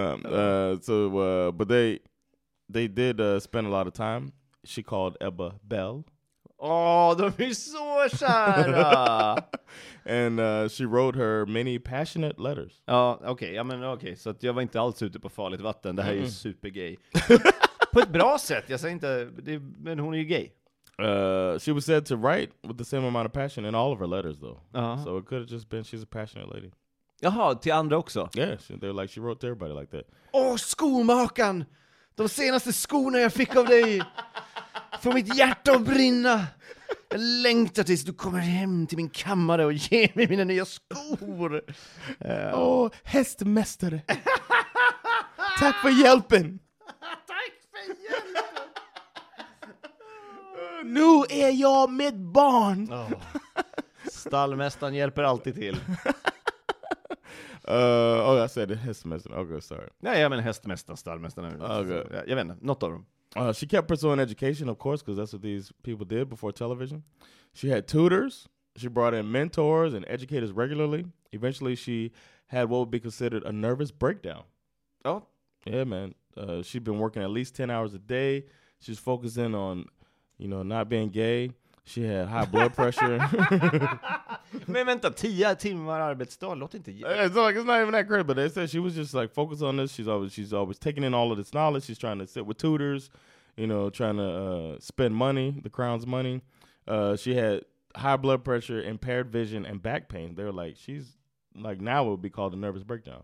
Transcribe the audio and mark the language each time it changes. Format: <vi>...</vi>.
<en>but they did spend a lot of time. She called Ebba Belle.</en> <sv>Oh, de är så kära.</sv> <en>And she wrote her many passionate letters.</en> <sv>Okej. Så att jag var inte alls ute på farligt vatten. Det här är ju supergay. På ett bra sätt. Jag säger inte, men hon är ju gay.</sv> <en>She was said to write with the same amount of passion in all of her letters, though. Uh-huh. So it could have just been she's a passionate lady.</en> <sv>Jaha, till andra också.</sv> <en>Yeah, they're like, she wrote to everybody like that.</en> <sv>Åh, skomakan! De senaste skorna jag fick av dig... Får mitt hjärta att brinna. Jag längtar tills du kommer hem till min kammare och ger mig mina nya skor. Åh, hästmästare. Tack för hjälpen. Tack för hjälpen. Nu är jag med barn. Oh. Stallmästaren hjälper alltid till.</sv> <en>I said hästmästaren. Okay, sorry.</en> <sv>Nej, jag menar hästmästaren, stallmästaren.</sv> <en>Okay.</en> <sv>Jag vet inte, något av dem.</sv> <en>She kept pursuing education, of course, because that's what these people did before television. She had tutors. She brought in mentors and educators regularly. Eventually, she had what would be considered a nervous breakdown. Oh. Yeah, man. She'd been working at least 10 hours a day. She's focusing on, you know, not being gay. She had high blood pressure.</en> <sv>Men vänta, 10 timmar arbetsdag, låt inte.</sv> <en>It's not even that crazy, but they said she was just like focused on this. She's always taking in all of this knowledge. She's trying to sit with tutors, you know, trying to spend money, the crown's money. She had high blood pressure, impaired vision, and back pain. They were like, she's like, now it would be called a nervous breakdown.</en>